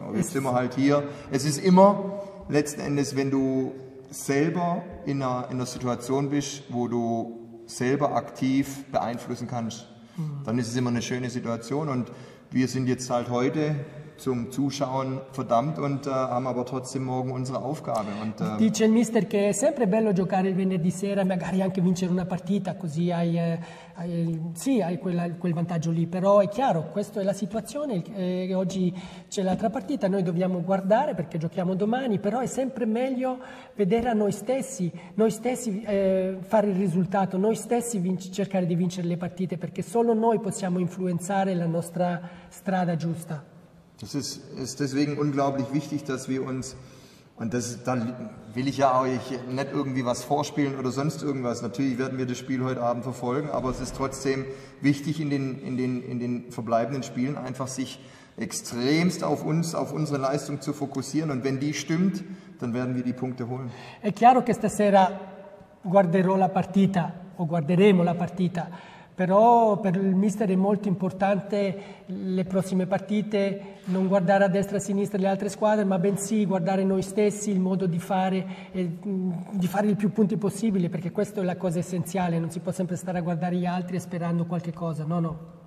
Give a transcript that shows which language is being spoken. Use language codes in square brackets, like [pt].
[de] Aber jetzt sind wir halt hier. Es ist immer letzten Endes, wenn du selber in einer Situation bist, wo du selber aktiv beeinflussen kannst, dann ist es immer eine schöne Situation und wir sind jetzt halt heute zum Zuschauen verdammt und haben aber trotzdem morgen unsere Aufgabe. Und, [it] dice il mister che è sempre bello giocare il venerdì sera, magari anche vincere una partita, così hai quel vantaggio lì. Però è chiaro, questa è la situazione, oggi c'è l'altra partita, noi dobbiamo guardare perché giochiamo domani, però è sempre meglio vedere a noi stessi fare il risultato, noi stessi cercare di vincere le partite, perché solo noi possiamo influenzare la nostra strada giusta. [de] Das ist deswegen unglaublich wichtig, dass wir uns, und das, da will ich ja euch nicht irgendwie was vorspielen oder sonst irgendwas, natürlich werden wir das Spiel heute Abend verfolgen, aber es ist trotzdem wichtig in den verbleibenden Spielen einfach sich extremst auf uns, auf unsere Leistung zu fokussieren und wenn die stimmt, dann werden wir die Punkte holen. [it] È chiaro che stasera guarderò la partita, o guarderemo la partita. Però per il mister è molto importante le prossime partite, non guardare a destra e a sinistra le altre squadre, ma bensì guardare noi stessi, il modo di fare, il più punti possibile, perché questa è la cosa essenziale, non si può sempre stare a guardare gli altri sperando qualche cosa, no, no.